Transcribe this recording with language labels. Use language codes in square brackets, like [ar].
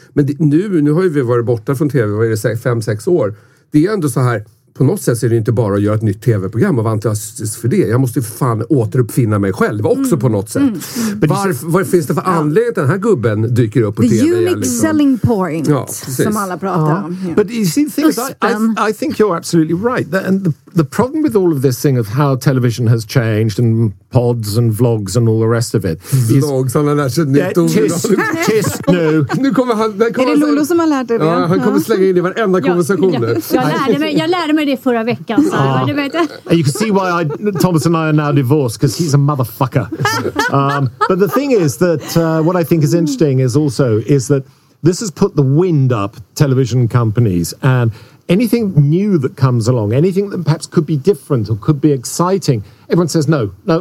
[sv] Men det, nu har ju vi varit borta från tv, vad är det, 5-6 år. Det är ändå så här, på något sätt är det inte bara att göra ett nytt tv-program och vara entusiastisk för det. Jag måste ju fan återuppfinna mig själv också på något sätt. Vad finns det för anledning att den här gubben dyker upp på [en] the [sv] tv? [en] The unique [sv] liksom? [en] Selling point, [sv] ja, som alla pratar om. [en] Yeah. But you see, the thing is, I think you're absolutely right. And the problem with all of this thing of how television has changed and pods and vlogs and all the rest of it. [sv] Vlogs, han har lärt sig nytt ord. Tiss, nu. Nu kommer han. Är det Lolo som har lärt dig det? Ja, han kommer slänga in i varenda konversation nu. Jag lärde mig det förra veckan. Så [en] And you can see why Thomas and I are now divorced, because he's a motherfucker. But the thing is that what I think is interesting is also is that this has put the wind up television companies, and anything new that comes along, anything that perhaps could be different or could be exciting, everyone says no.